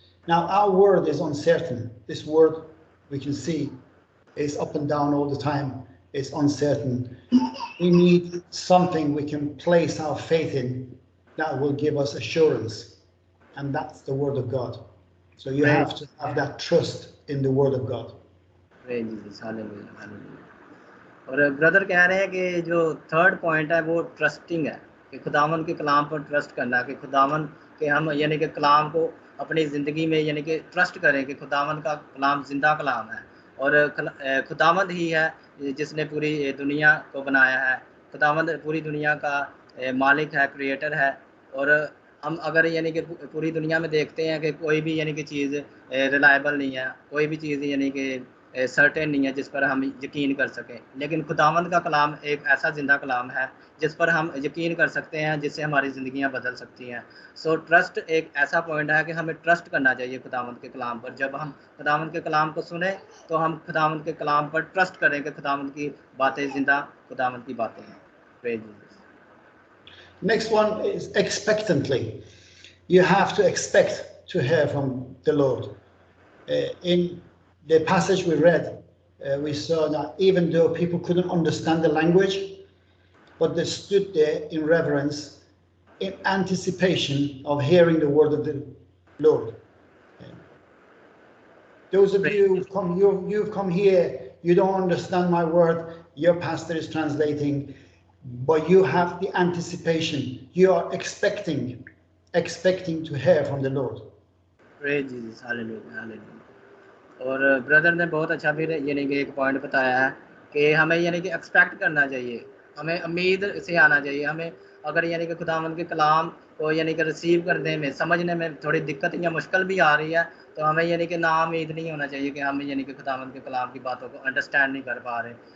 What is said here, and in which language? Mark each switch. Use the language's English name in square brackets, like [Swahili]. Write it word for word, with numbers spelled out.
[English] Now, our world is uncertain. This world, we can see, is up and down all the time. It's uncertain. We need something we can place our faith in that will give us assurance. And that's the Word of God. So you have to have that trust in the Word of God. Praise Jesus. Hallelujah. Hallelujah. [Hindi] और brother कह रहे हैं कि जो third point है वो trusting है कि खुदावन के कलाम पर ट्रस्ट करना, कि खुदावन कि हम यानी कि कलाम को अपनी ज़िंदगी में यानी कि ट्रस्ट करें कि खुदावंद का कलाम जिंदा कलाम है और खुदावंद ही है जिसने पूरी दुनिया को बनाया है, खुदावंद पूरी दुनिया का मालिक है, क्रिएटर है। और हम अगर यानी कि पूरी दुनिया में देखते हैं कि कोई भी यानी कि चीज़ रिलायबल नहीं है, कोई भी चीज़ यानी कि सर्टेन नहीं है जिस पर हम यकीन कर सकें, लेकिन खुदावंद का कलाम एक ऐसा ज़िंदा कलाम है जिस पर हम यकीन कर सकते हैं, जिससे हमारी ज़िंदगियां बदल सकती हैं। सो ट्रस्ट एक ऐसा पॉइंट है कि हमें ट्रस्ट करना चाहिए खुदावंद के कलाम पर। जब हम खुदावंद के कलाम को सुने तो हम खुदावंद के कलाम पर ट्रस्ट करें कि खुदावंद की बातें ज़िंदा खुदावंद की बातें हैं। [English] Praise Jesus. Next one is expectantly. You have to expect to hear from the Lord. In the passage we read, uh, we saw that even though people couldn't understand the language, but they stood there in reverence, in anticipation of hearing the word of the Lord. Okay. Those of you who've come, you've, you've come here, you don't understand my word, your pastor is translating, but you have the anticipation. You are expecting, expecting to hear from the Lord. Praise Jesus, hallelujah, hallelujah. [Hindi] और brother ने बहुत अच्छा फिर यानी कि एक point बताया है कि हमें यानी कि एक्सपेक्ट करना चाहिए, हमें उम्मीद से आना चाहिए। हमें अगर यानी कि खुदावंद के कलाम को यानी कि रिसीव करने में, समझने में थोड़ी दिक्कत या मुश्किल भी आ रही है तो हमें यानी कि नाउम्मीद नहीं होना चाहिए कि हम यानी कि खुदावंद के कलाम की बातों को अंडरस्टैंड नहीं कर पा रहे।